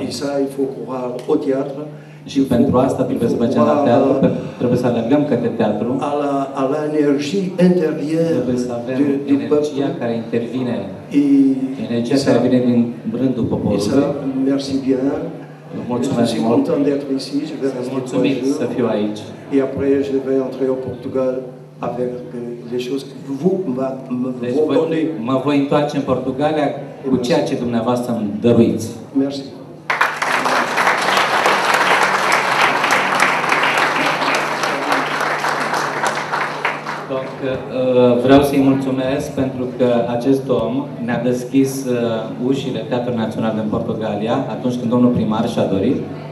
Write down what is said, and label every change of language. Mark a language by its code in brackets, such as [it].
[fr] Et ça, il faut croire au théâtre. [ro] Și pentru asta trebuie să mergem la teatru, trebuie să alergăm către teatru. [fr] À l'énergie intérieure. [ro] Trebuie să avem energia care intervine. Energia care vine din rândul poporului. [fr] Merci bien. [ro] Mulțumesc [fr] je suis content d'être ici, je vais rester trois jours. Et après, je vais entrer au Portugal avec les choses que vous m'avez donné. [ro] Mă voi întoarce în Portugalia cu ceea ce dumneavoastră îmi dăruiți. [fr] Merci. [ro] Donc, vreau să-i mulțumesc pentru că acest om ne-a deschis ușile Teatrului Național din Portugalia atunci când domnul primar și-a dorit.